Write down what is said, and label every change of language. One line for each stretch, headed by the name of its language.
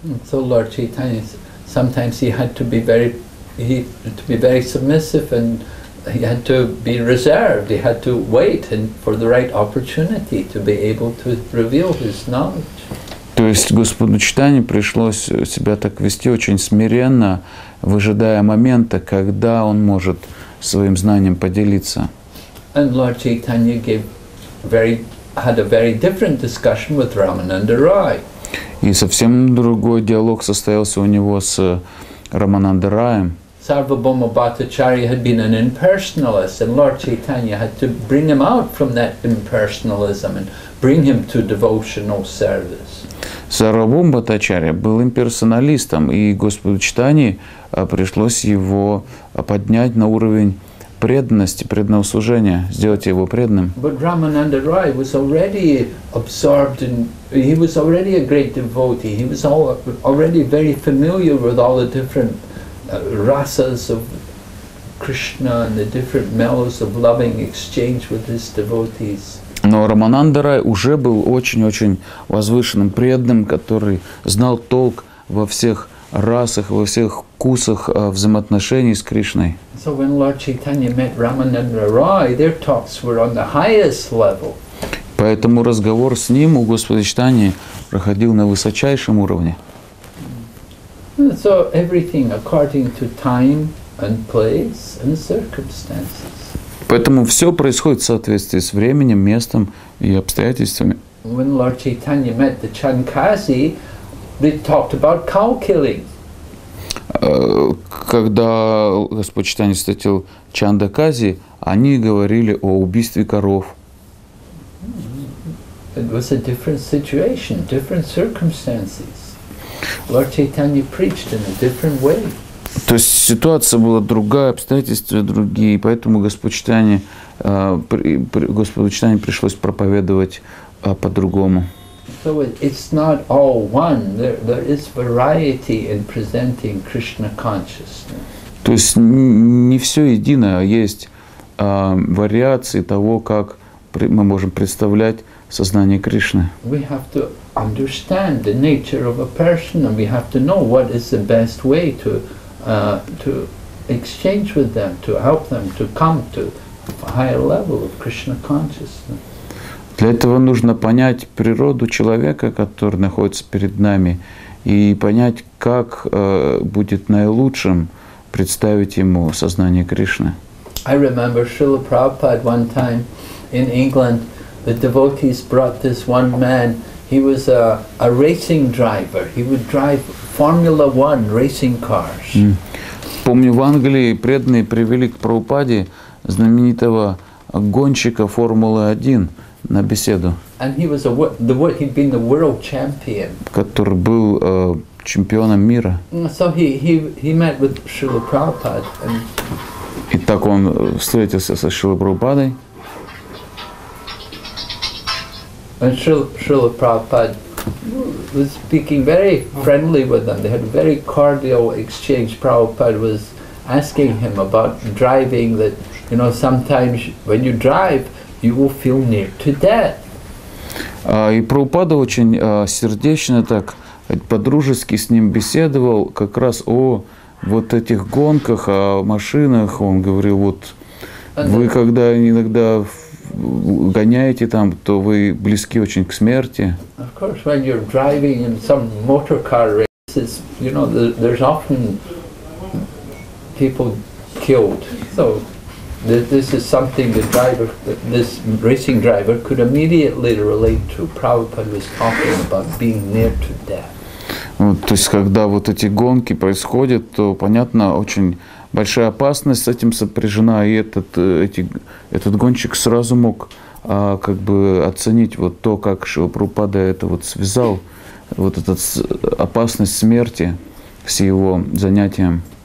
English: So Lord Chaitanya, sometimes he had to be very submissive and he had to be reserved. He had to wait and for the right opportunity to be able to reveal his knowledge.
Russian: То есть Господу Чайтанье пришлось себя так вести очень смиренно, выжидая момента, когда он может своим знанием поделиться.
English: And Lord Chaitanya had a very different discussion with Ramananda Rai.
Russian: И совсем другой диалог состоялся у него с Рамананда Раем.
English: Sarvabhauma Bhattacharya had been an impersonalist, and Lord Chaitanya had to bring him out from that impersonalism and bring him to devotional service.
Russian: Сарвабхаума Бхаттачарья был имперсоналистом, и Господу Чайтанье пришлось его поднять на уровень преданности, преданного служения, сделать его преданным.
English: But Ramananda Rai was already absorbed in, he was already a great devotee. He was already very familiar with all the different rasas of Krishna and the different mellows of loving exchange with his devotees.
Russian: Но Рамананда Рай уже был очень-очень возвышенным преданным, который знал толк во всех расах, во всех вкусах взаимоотношений с Кришной.
English: So when Lord Chaitanya met Ramananda Rai, their talks were on the highest level.
Russian: Поэтому разговор с ним у Господа Чайтаньи проходил на высочайшем уровне.
English: So everything according to time and place and circumstances.
Russian: Поэтому все происходит в соответствии с временем, местом и обстоятельствами.
English: When Lord Chaitanya met the Chankasi, they talked about cow killing.
Russian: Когда Господь Чайтанья встретил Чандакази, они говорили о убийстве коров.
English: It was a different situation, different circumstances. Lord Chaitanya preached in a different way.
Russian: То есть ситуация была другая, обстоятельства другие, поэтому Господу Чайтанье пришлось проповедовать по-другому.
English: So it's not all one. There is variety in presenting Krishna consciousness.
Russian: То есть не все едино, а есть вариации того, как мы можем представлять сознание Кришны.
English: We have to understand the nature of a person, and we have to know what is the best way to exchange with them, to help them to come to a higher level of Krishna consciousness.
Russian: Для этого нужно понять природу человека, который находится перед нами, и понять, как будет наилучшим представить ему сознание Кришны.
English: I remember Srila Prabhupada one time in England, the devotees brought this one man. He was a racing driver. He would drive Formula One racing cars.
Russian: Помню, в Англии преданные привели к Прабхупаде знаменитого гонщика Формулы-1 на беседу.
English: And he was he'd been the world champion.
Russian: Который был чемпионом мира.
English: So he met with Srila Prabhupada. And
Russian: и так он встретился со Шрилой Прабхупадой.
English: And Srila Prabhupada was speaking very friendly with them. They had a very cordial exchange. Prabhupada was asking him about driving, that, you know, sometimes when you drive, you will feel near to death.
Russian: И Прабхупада очень сердечно так по-дружески с ним беседовал как раз о вот этих гонках, о машинах. Он говорил, вот вы когда иногда гоняете там, то вы близки очень к смерти.
English: Of course, when you're driving in some motor car races, you know, there's often people killed. So this is something the driver, this racing driver could immediately relate to. Prabhupada was talking about being near to death.
Russian: То есть, когда вот эти гонки происходят, то, понятно, очень большая опасность с этим сопряжена, и этот гонщик сразу мог как бы оценить вот то, как Шрила Прабхупада это вот связал, вот эту опасность смерти с его занятием.